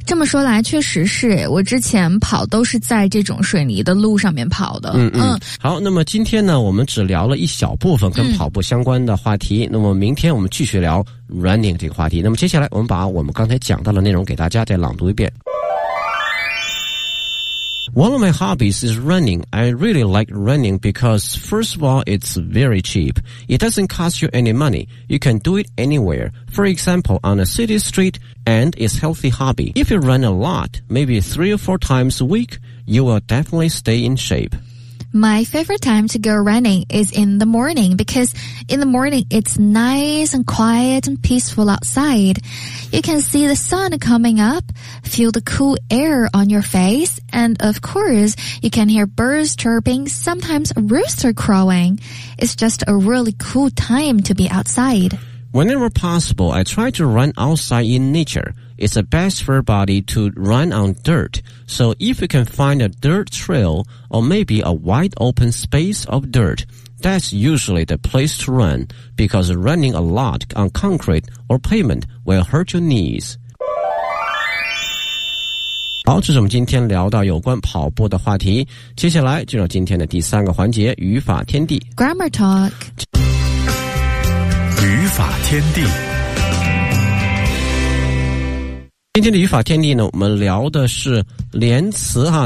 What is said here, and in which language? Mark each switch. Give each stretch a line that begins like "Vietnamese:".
Chinese: 这么说来确实是，我之前跑都是在这种水泥的路上面跑的。好，那么今天呢我们只聊了一小部分跟跑步相关的话题，那么明天我们继续聊 running 这个话题。那么接下来我们把我们刚才讲到的内容给大家再朗读一遍。
English: One of my hobbies is running. I really like running because, first of all, it's very cheap. It doesn't cost you any money. You can do it anywhere. For example, on a city street, and it's a healthy hobby. If you run a lot, maybe 3 or 4 times a week, you will definitely stay in shape. My favorite time to go running is in the morning because in the morning it's nice and quiet and peaceful outside. You can see the sun coming up, feel the cool air on your face, and of course, you can hear birds chirping, sometimes a rooster crowing. It's just a really cool time to be outside. Whenever possible, I try to run outside in nature. It's the best for a body to run on dirt. So if you can find a dirt trail or maybe a wide open space of dirt, that's usually the place to run because running a lot on concrete or pavement will hurt your knees.
Chinese: 好，这是我们今天聊到有关跑步的话题。接下来进入今天的第三个环节，语法天地。
English: Grammar Talk.
Chinese: 语法天地。今天的语法天地呢，我们聊的是连词哈。